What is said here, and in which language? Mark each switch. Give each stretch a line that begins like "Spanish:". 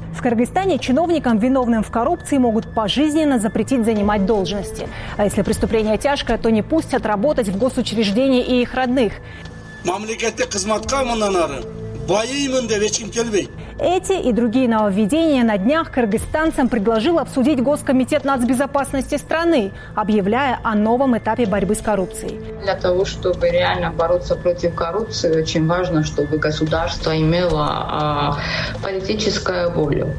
Russian: В Кыргызстане чиновникам, виновным в коррупции, могут пожизненно запретить занимать должности. А если преступление тяжкое, то не пустят работать в госучреждении и их родных.
Kyrgyz: Мамлекетте кызматка мындан ары байыймын деп эч ким келбей.
Russian: Эти и другие нововведения на днях кыргызстанцам предложил обсудить Госкомитет нацбезопасности страны, объявляя о новом этапе борьбы с коррупцией. Для того, чтобы реально бороться против коррупции, очень важно, чтобы государство имело политическую волю.